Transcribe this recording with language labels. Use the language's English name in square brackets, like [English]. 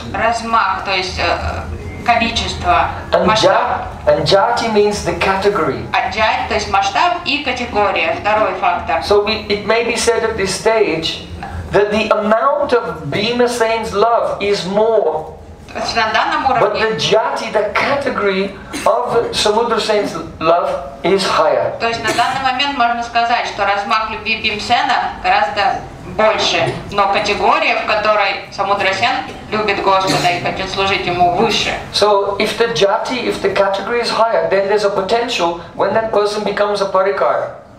[Russian] Размах, то есть количество. [English] And Jati means the category. [Russian] А Jati, то есть масштаб и категория, второй фактор. [English] So it may be said at this stage that the amount of Bhima Sen's love is more. But the jati, the category of Samudra Sen's love is higher. [Russian] То есть на данный момент можно сказать, что размах любви Бхимсена гораздо больше, но категория, в которой Самудра Сен любит Господа и хочет служить ему, выше. [English] So if the jati, if the category is higher, then there's a potential when that person becomes a parikar.